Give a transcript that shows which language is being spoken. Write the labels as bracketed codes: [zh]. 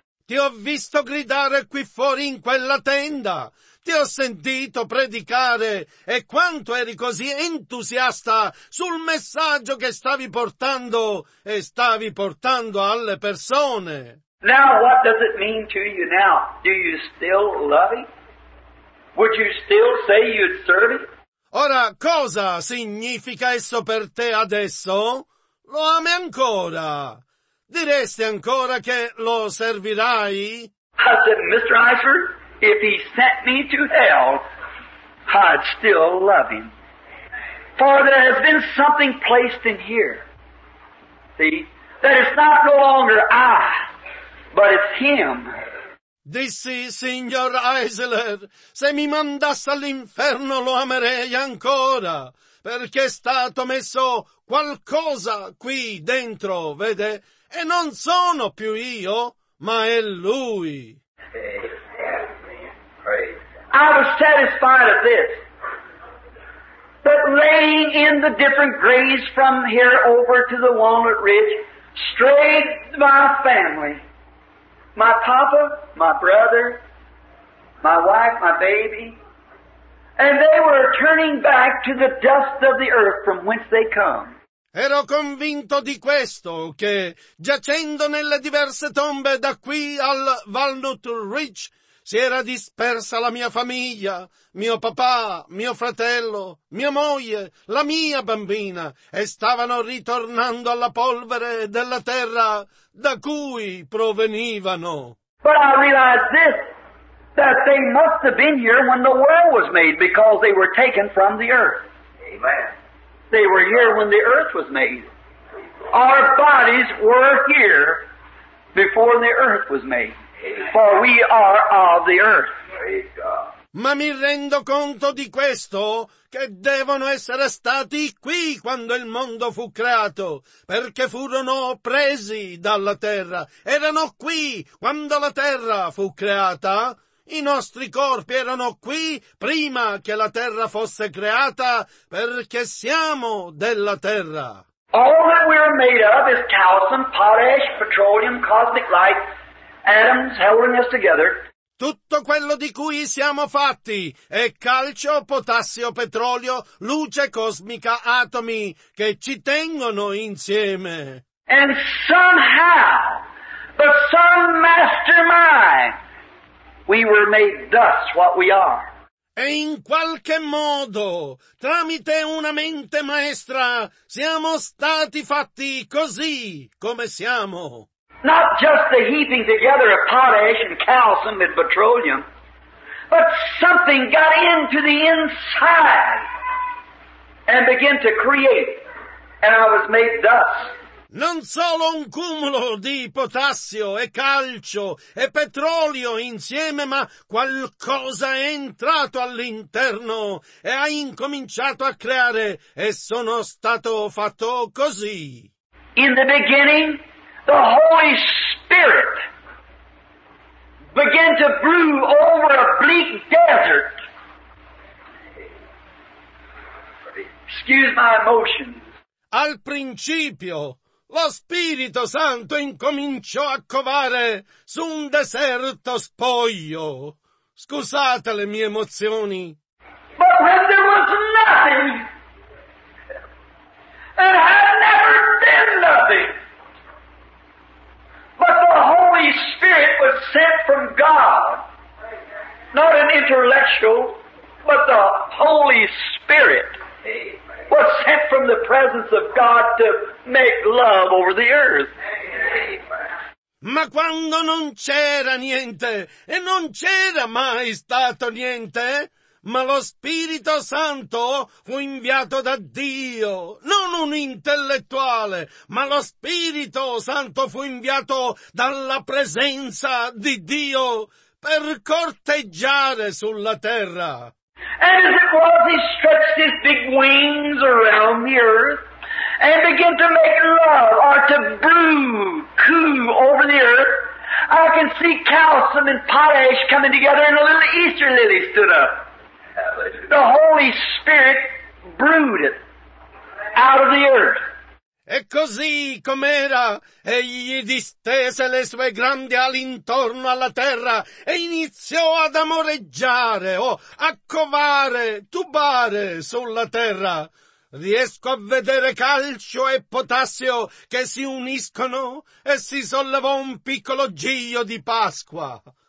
[it] Ti ho visto gridare qui fuori in quella tenda. Ti ho sentito predicare e quanto eri così entusiasta sul messaggio che stavi portando e stavi portando alle persone. [en] Now what does it mean to you now? Do you still love him? Would you still say you'd serve him? [it] Ora cosa significa esso per te adesso? Lo ami ancora? Diresti ancora che lo servirai? [en] I said, Mr. Eisler, if he sent me to hell, I'd still love him. For there has been something placed in here, see, that it's not no longer I, but it's him. [it] Dissi, signor Eisler, se mi mandasse all'inferno lo amerei ancora, perché è stato messo qualcosa qui dentro, vede? E non sono più io, ma è lui. [en] I was satisfied of this, that laying in the different graves from here over to the Walnut Ridge, straight my family, my papa, my brother, my wife, my baby, and they were turning back to the dust of the earth from whence they come. [it] Ero convinto di questo, che giacendo nelle diverse tombe da qui al Walnut Ridge si era dispersa la mia famiglia, mio papà, mio fratello, mia moglie, la mia bambina, e stavano ritornando alla polvere della terra da cui provenivano. [en] But I realized this, that they must have been here when the world was made, because they were taken from the earth. Amen. They were here when the earth was made. Our bodies were here before the earth was made. For we are of the earth. [it] Ma mi rendo conto di questo, che devono essere stati qui quando il mondo fu creato, perché furono presi dalla terra. Erano qui quando la terra fu creata. I nostri corpi erano qui prima che la terra fosse creata, perché siamo della terra. [en] All that we are made of is calcium, potash, petroleum, cosmic light. Atoms holding us together. [it] Tutto quello di cui siamo fatti è calcio, potassio, petrolio, luce cosmica, atomi che ci tengono insieme. [en] And somehow, but some mastermind, we were made thus what we are. [it] E in qualche modo, tramite una mente maestra, siamo stati fatti così come siamo. [en] Not just the heaping together of potash and calcium and petroleum, but something got into the inside and began to create, and I was made thus. [it] Non solo un cumulo di potassio e calcio e petrolio insieme, ma qualcosa è entrato all'interno e ha incominciato a creare, e sono stato fatto così. [en] In the beginning, the Holy Spirit began to brew over a bleak desert. Excuse my emotions. [it] Al principio, lo Spirito Santo incominciò a covare su un deserto spoglio. Scusate le mie emozioni. [en] But when there was nothing, and had never been nothing, but the Holy Spirit was sent from God. Not an intellectual, but the Holy Spirit was sent from the presence of God to make love over the earth. [it] Ma quando non c'era niente, e non c'era mai stato niente, ma lo Spirito Santo fu inviato da Dio, non un intellettuale, ma lo Spirito Santo fu inviato dalla presenza di Dio per corteggiare sulla terra. [en] And as it was, he stretched his big wings around the earth and began to make love, or to coo over the earth. I can see calcium and potash coming together, and a little Easter lily stood up. The Holy Spirit brewed it out of the earth. [it] E così com'era, egli distese le sue grandi ali intorno alla terra e iniziò ad amoreggiare, a covare, tubare sulla terra. Riesco a vedere calcio e potassio che si uniscono e si sollevò un piccolo giglio di Pasqua.